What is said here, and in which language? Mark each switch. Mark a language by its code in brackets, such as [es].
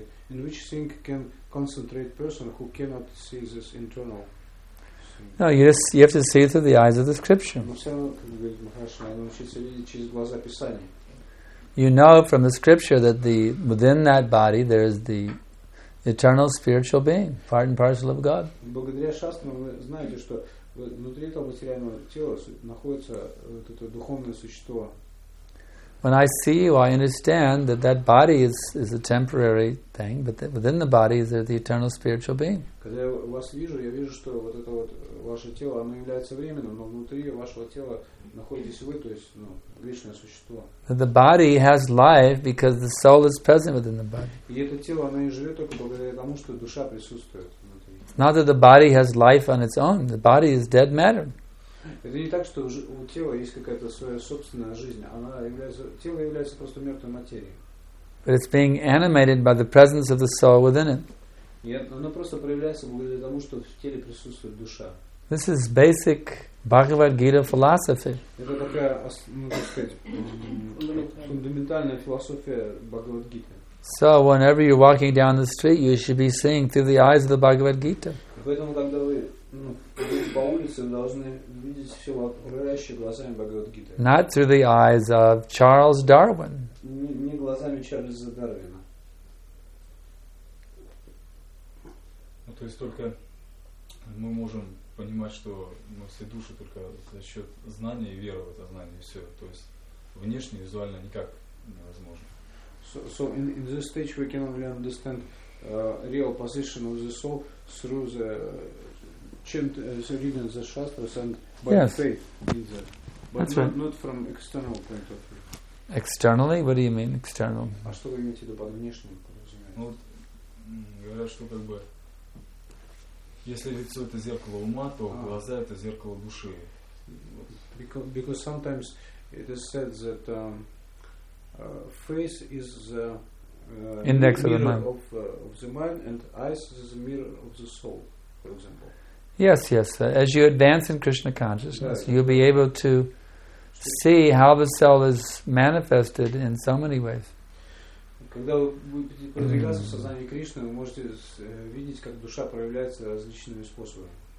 [en] In which thing can concentrate person who cannot see this internal? No, you have to see through the eyes of the scripture. [ru] Но все равно, как говорит Махарши, надо научиться видеть через глаза Писания. [en] You know from the scripture that within that body there is the eternal spiritual being, part and parcel of God. [ru] Благодаря шастрам вы знаете, что внутри этого материального тела находится вот это духовное существо. [en] When I see you, I understand that that body is a temporary thing, but that within the body is there the eternal spiritual being. [ru] Когда я вас вижу, я вижу, что вот это вот ваше тело, оно является временным, но внутри вашего тела находитесь вы, то есть, ну, вечное существо. [en] The body has life because the soul is present within the body. [ru] И это тело, оно и живет только благодаря тому, что душа присутствует внутри. [en] It's not that the body has life on its own. The body is dead matter. [ru] Это не так, что у тела есть какая-то своя собственная жизнь. Тело является просто мертвой материей. [en] But it's being animated by the presence of the soul within it. [ru] Нет, оно просто проявляется благодаря тому, что в теле присутствует душа. [en] This is basic Bhagavad Gita philosophy. [ru] Это такая, можно сказать, фундаментальная философия Бхагавад Гиты. [en] So whenever you're walking down the street, you should be seeing through the eyes of the Bhagavad Gita. [ru] Поэтому когда вы по улице, вы должны видеть все окружающие глазами Бхагавад Гиты. [en] Not through the eyes of Charles Darwin. [ru] Не глазами Чарльза Дарвина. То есть только мы можем понимать, что мы все души только за счет знания и веры в это знание, и все. То есть внешне, визуально никак невозможно. [en] So in this stage we can only understand real position of the soul through the reading the shastras and by yes. faith in the, but That's right. not from external point of view. Externally? What do you mean, external? [ru] А что вы имеете в виду под внешним? Говорят, что как бы если лицо это зеркало ума, то глаза это зеркало души. [en] Because sometimes it is said that face is the index of the mind. Of the mind, and eyes is the mirror of the soul, for example. Yes, yes. As you advance in Krishna consciousness, right. you'll be able to see how the soul is manifested in so many ways. [ru] Когда вы будете продвигаться в сознании Кришны, вы можете видеть, как душа проявляется различными способами.